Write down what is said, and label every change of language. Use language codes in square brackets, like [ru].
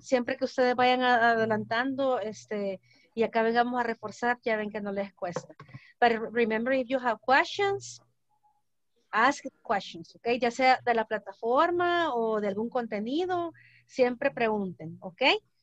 [es] Siempre que ustedes vayan adelantando y acá vengamos a reforzar, ya ven que no les cuesta. [en] But remember, if you have questions, ask questions, okay? [es] Ya sea de la plataforma o de algún contenido, siempre pregunten, okay?